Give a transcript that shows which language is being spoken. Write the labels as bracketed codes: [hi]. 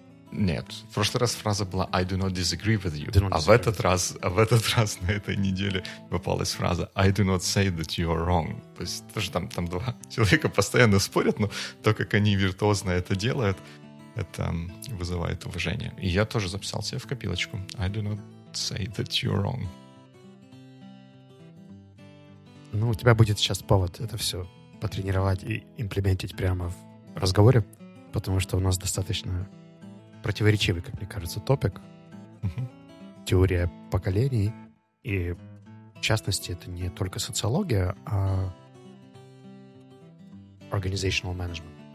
[ru] Нет, в прошлый раз фраза была I do not disagree with you. В этот раз на этой неделе попалась фраза I do not say that you're wrong. То есть тоже там два человека постоянно спорят, но то, как они виртуозно это делают, это вызывает уважение. И я тоже записал себе в копилочку. [en] I do not say that you're wrong. [ru] Ну, у тебя будет сейчас повод это все потренировать и имплементить прямо в разговоре, потому что у нас достаточно противоречивый, как мне кажется, топик. Uh-huh. Теория поколений. И, в частности, это не только социология, а organizational management.